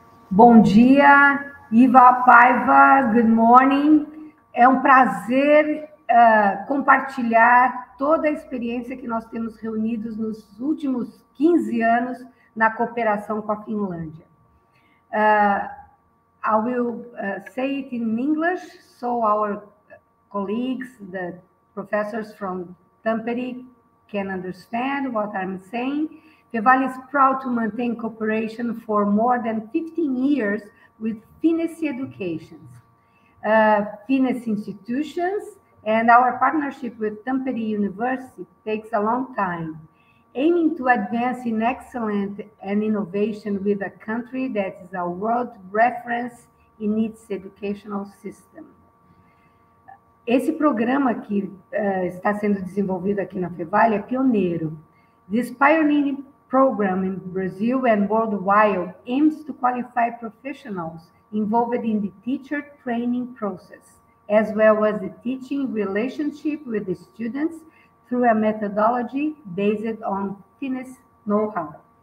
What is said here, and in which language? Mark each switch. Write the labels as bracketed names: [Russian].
[Portuguese] Bom dia, Iva Paiva, [English] good morning. [Portuguese] É um prazer compartilhar toda a experiência que nós temos reunidos nos últimos 15 anos na cooperação com a Finlândia. [English] I will say it in English, so our colleagues, the professors from Tampere can understand what I'm saying. FEVALE is proud to maintain cooperation for more than 15 years with Finnish education, Finnish institutions, and our partnership with Tampere University takes a long time. Aiming to advance in excellence and innovation with a country that is a world reference in its educational system. [Portuguese] Esse programa que está sendo desenvolvido aqui na FEVALE é pioneiro. [English] This pioneering program in Brazil and worldwide aims to qualify professionals involved in the teacher training process, as well as the teaching relationship with the students through a methodology based on Finnish know-how.